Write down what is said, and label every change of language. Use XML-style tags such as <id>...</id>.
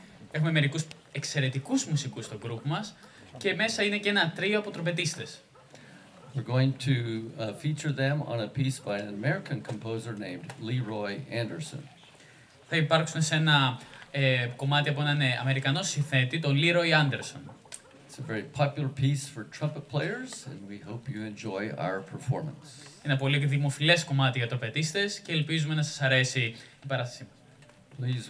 <el>Έχουμε μερικούς εξαιρετικούς μουσικούς στο group μας και μέσα είναι και ένα τρίο από τρομπετίστες.</el> <en>We're going to feature them on a piece by an American composer named Leroy Anderson.</en> <el>Θα υπάρξουν σε ένα κομμάτι από έναν Αμερικανό συνθέτη, τον Leroy Anderson.</el> <en>It's a very popular piece for trumpet players and we hope you enjoy our performance.</en> <el>Ένα πολύ δημοφιλές κομμάτι για τροπετίστες και ελπίζουμε να σας αρέσει η παράστασή μας.</el>